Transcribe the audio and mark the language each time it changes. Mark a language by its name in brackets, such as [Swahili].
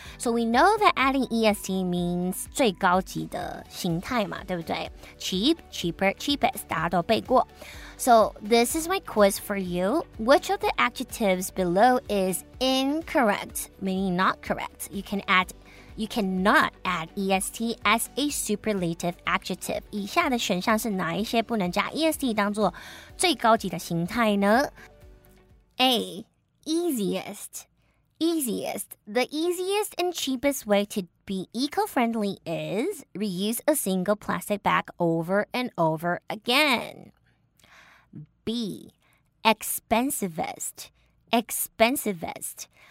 [English] So we know that adding EST means [Chinese] 最高级的形态嘛，对不对？ [English] Cheap, cheaper, cheapest, [Chinese] 大家都背过。 [English] So this is my quiz for you. Which of the adjectives below is incorrect, meaning not correct? You cannot add EST as a superlative adjective. [Chinese] 以下的选项是哪一些不能加 EST 当作最高级的形态呢？ [English] A, easiest. The easiest and cheapest way to be eco-friendly is reuse a single plastic bag over and over again. B, expensivest.